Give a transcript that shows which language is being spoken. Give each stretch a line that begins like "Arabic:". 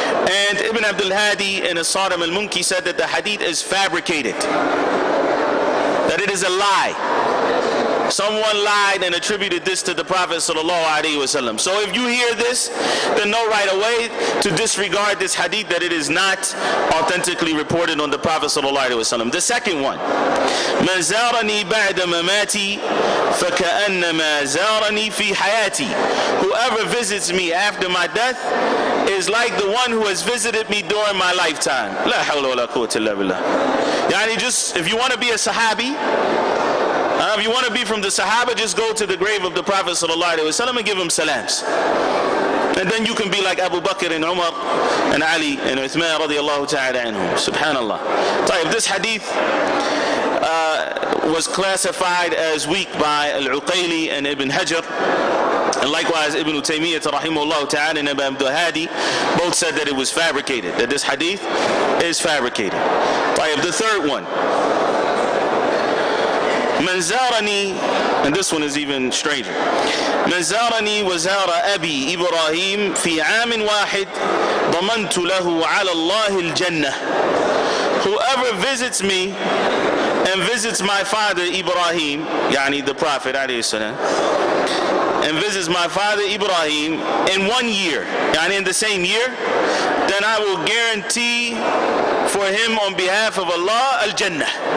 English: And Ibn Abdul Hadi in As-Sadam al-Munki said that the hadith is fabricated, that it is a lie. Someone lied and attributed this to the Prophet sallallahu alaihi wasallam. So if you hear this, then know right away to disregard this hadith, that it is not authentically reported on the Prophet sallallahu alaihi wasallam. The second one,
Arabic: من زارني بعد مماتي فكأنما زارني في حياتي.
English: Whoever visits me after my death is like the one who has visited me during my lifetime.
Arabic: لا حول ولا قوة إلا بالله.
English: يعني just, if you want to be a Sahabi, if you want to be from the Sahaba, just go to the grave of the Prophet sallallahu alaihi wasallam and give him salams. And then you can be like Abu Bakr and Umar and Ali and Uthman radiallahu ta'ala anhum. Subhanallah. طيب, this hadith was classified as weak by Al-Uqayli and Ibn Hajar. And likewise, Ibn Taymiyyah rahimahullah ta'ala and Ibn Abdul Hadi both said that it was fabricated, that this hadith is fabricated. طيب, the third one.
Arabic: من زارني,
English: and this one is even stranger.
Arabic: من زارني وزار أبي إبراهيم في عام واحد ضمنت له على الله الجنة.
English: Whoever visits me and visits my father Ibrahim, يعني the Prophet عليه السلام, and visits my father Ibrahim in 1 year, يعني in the same year, then I will guarantee for him on behalf of Allah الجنة.